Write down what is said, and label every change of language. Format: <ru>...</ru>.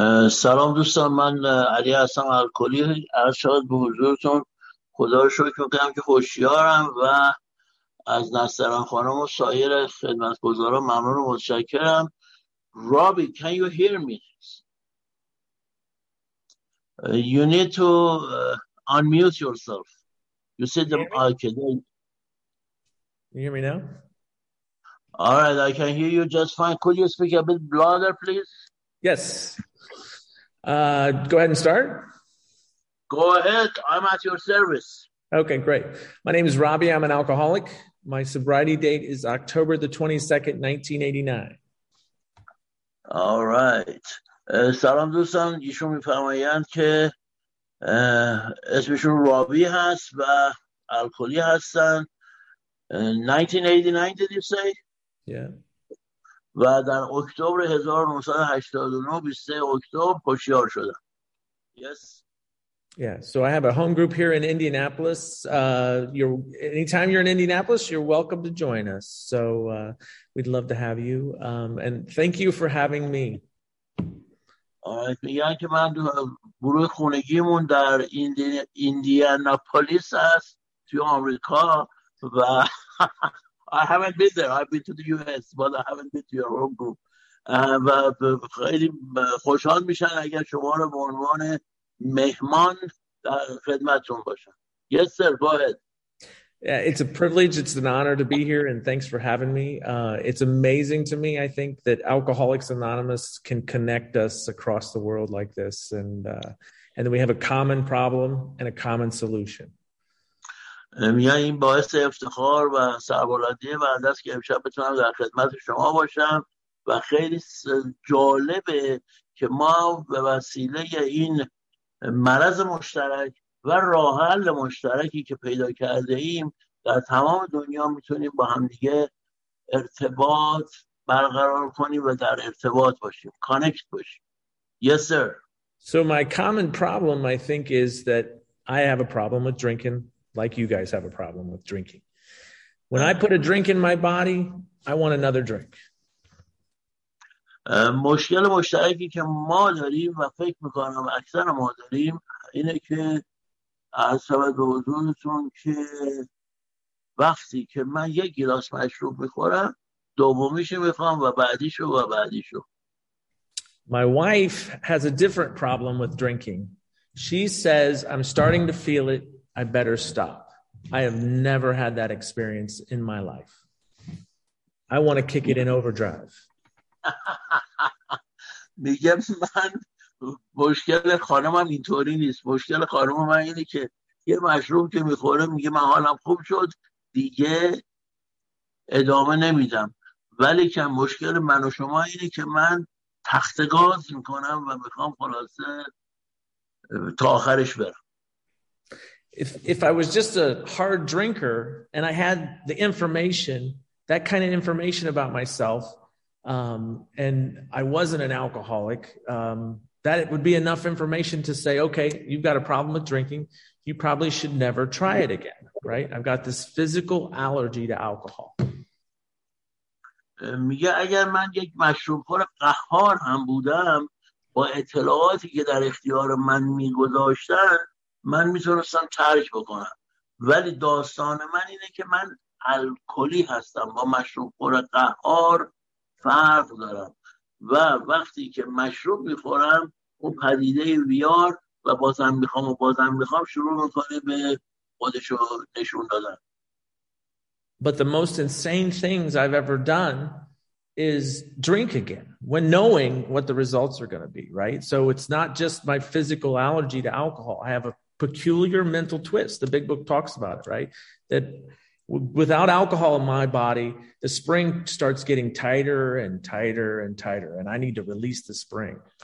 <fa>سلام دوستان، من علی هستم الکلی. عرض شد به حضورتون، خدا رو شکر میکنم که هوشیارم و از نسترن خانم و سایر خدمتگزارا ممنون و متشکرم.</fa> <en>Robbie, can you hear me? You need to unmute yourself. You said You hear me now? Alright, I can hear you just fine. Could you speak a bit louder, please? Yes. Go ahead and start. Go ahead. I'm at your service. Okay, great. My name is Robbie. I'm an alcoholic. My sobriety date is October the 22nd, 1989. All right.</en> <fa>سلام دوستان، ایشون میفرمایند که اسمشون رابی هست و الکلی هستن.</fa> <en>1989 did you say? Yeah.</en> <fa>و در اکتبر 1989 23 اکتبر هوشیار شدم.</fa> <en>Yes. Yeah, so I have a home group here in Indianapolis. Anytime you're in Indianapolis, you're welcome to join us. So we'd love to have you. And thank you for having me.</en> <fa>میگن که من گروه خونگیمون در ایندیاناپولیس هست توی آمریکا و</fa> <en>I haven't been there. I've been to the US, but I haven't been to your home group.</en> <fa>و خیلی خوشحال میشن اگر شما رو به عنوان مهمان در خدمتتون باشن.</fa> <en>Yes, sir. Go ahead. Yeah, it's a privilege, it's an honor to be here, and thanks for having me. It's amazing to me, I think, that Alcoholics Anonymous can connect us across the world like this, and that we have a common problem and a common solution.</en> <fa>میگن این باعث افتخار و سربلندی بنده است که امشب بتونم در خدمت شما باشم و خیلی جالبه که ما به وسیله این مرض مشترک و راه حل مشترکی که پیدا کرده ایم در تمام دنیا میتونیم با همدیگه ارتباط برقرار کنیم و در ارتباط باشیم، کانکت باشیم.</fa> <en>Yes, sir. So my common problem, I think, is that I have a problem with drinking, like you guys have a problem with drinking. When I put a drink in my body, I want another drink.</en> <fa>مشکل مشترکی که ما داریم و فکر میکنم اکثر ما داریم اینه که از سبب حضورتون که وقتی که من یک گلاس مشروب میخورم دومیشو میخوام و بعدیشو و بعدیشو.</fa> <en>My wife has a different problem with drinking. She says, I'm starting to feel it, I better stop. I have never had that experience in my life. I want to kick it in overdrive.</en> <fa>میگم من مشکل خانمم اینطوری نیست. مشکل خانم من اینه که یه مشروب که میخوره میگه من حالم خوب شد دیگه ادامه نمیدم. ولی که مشکل من و شما اینه که من تخت گاز میکنم و میخوام خلاصه تا آخرش برم.</fa> <en>If I was just a hard drinker and I had the information, that kind of information about myself, and I wasn't an alcoholic, that it would be enough information to say, okay, you've got a problem with drinking. You probably should never try it again, right? I've got this physical allergy to alcohol.</en> <fa>میگه اگر من یک مشروب خور قهار هم بودم با اطلاعاتی که در اختیار من میگذاشتن من میتونستم ترک بکنم، ولی داستان من اینه که من الکلی هستم، با مشروب خور قهار فرق دارم و وقتی که مشروب میخورم اون پدیده ویار و بازم میخوام شروع میکنه به خودشو نشون دادن.</fa> <en>But the most insane things I've ever done is drink again when knowing what the results are going to be, right? So it's not just my physical allergy to alcohol. I have a peculiar mental twist. The big book talks about it, right? That without alcohol in my body, the spring starts getting tighter and tighter and tighter, and I need to release the spring.</en>